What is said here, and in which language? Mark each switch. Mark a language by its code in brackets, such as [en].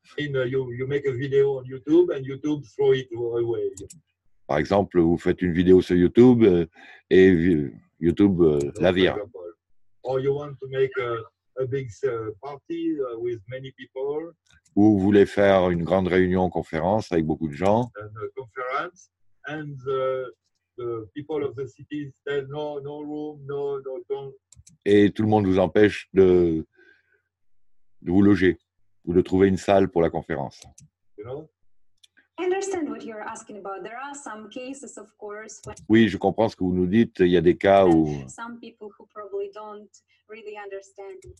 [en] You make a video on YouTube and YouTube throw it away. [fr] Par exemple, vous faites une vidéo sur YouTube et YouTube la vire. [en] Or you want to make a big party with many people. [fr] Ou vous voulez faire une grande réunion conférence avec beaucoup de gens. [en] Conference and the people of the city say no room, no don't. [fr] Et tout le monde vous empêche de vous loger ou de trouver une salle pour la conférence. [en] You know? I understand what you're asking about. There are some cases, of course. [fr] Oui, je comprends ce que vous nous dites. Il y a des cas où [en] some people who probably don't really understand